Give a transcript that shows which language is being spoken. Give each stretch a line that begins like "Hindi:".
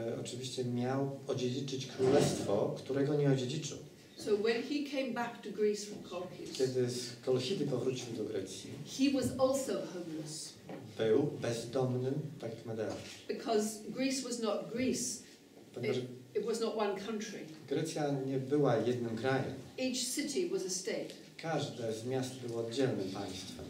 Polish: Oczywiście miał odziedziczyć królestwo, którego nie odziedziczył.
English: So when he came back to Greece from Colchis,
Polish: kiedy z Kolchidy powrócił do Grecji,
English: he was also homeless.
Polish: Był bezdomnym, tak jak Medea.
English: Because Greece was not Greece. It was not one country.
Polish: Grecja nie była jednym krajem.
English: Each city was a state.
Polish: Każde z miast było oddzielnym państwem.